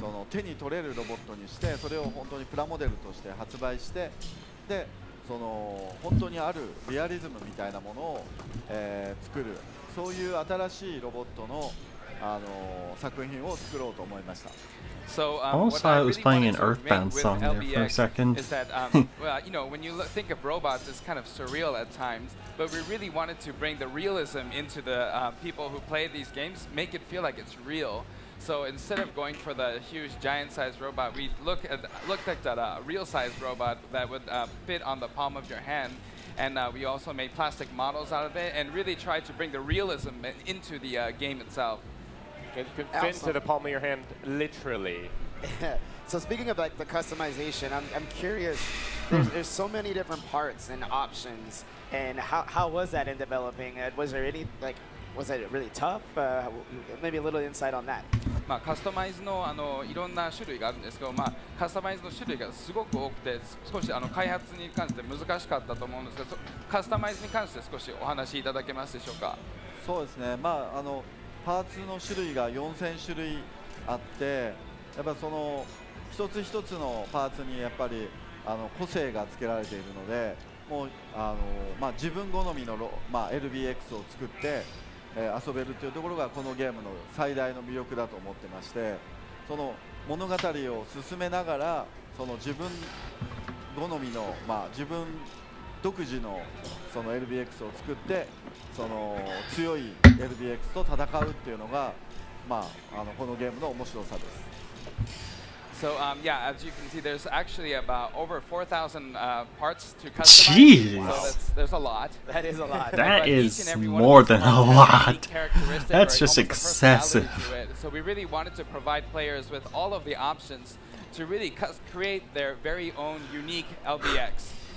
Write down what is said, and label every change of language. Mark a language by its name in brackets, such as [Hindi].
[Japanese] その手に取れるロボットにして、それを本当にプラモデルとして発売して、で、その本当にあるリアリズムみたいなものを、作る、そういう新しいロボットの、作品を作ろうと思いました。 [English] So, also, I was playing an Earthbound song there for a second. Is that, well, you know, when you think of robots, it's kind of surreal at times. But we really wanted to bring the realism into the people who play these games, make it feel like it's real. So instead of going for the huge giant-sized robot, we looked at a real-sized robot that would fit on the palm of your hand. And we also made plastic models out of it and really tried to bring the realism into the game itself. It can fit into the palm of your hand, literally. So speaking of like the customization, I'm curious. There's so many different parts and options. And how was that in developing? Was there any like, was it really tough? Maybe a little insight on that. [Japanese] まあ、カスタマイズの、いろんな種類があるんですけど、まあ、カスタマイズの種類がすごく多くて少し開発に関して難しかったと思うんですけど、カスタマイズに関して少しお話しいただけますでしょうか。そうですね、まあ、パーツの種類が4000種類あって、やっぱその一つ一つのパーツにやっぱり個性がつけられているので、もうまあ、自分好みの、まあ、LBX を作って遊べるというところがこのゲームの最大の魅力だと思ってまして、その物語を進めながら、その自分好みの、まあ、自分独自のその LBX を作って、その強い LBX と戦うっていうのが、まあ、このゲームの面白さです。 [English] So, yeah, as you can see, there's actually about over 4,000 parts to customize. Jeez! So there's a lot. That is a lot. That is more than a lot. That's just excessive. So we really wanted to provide players with all of the options to really create their very own unique LBX.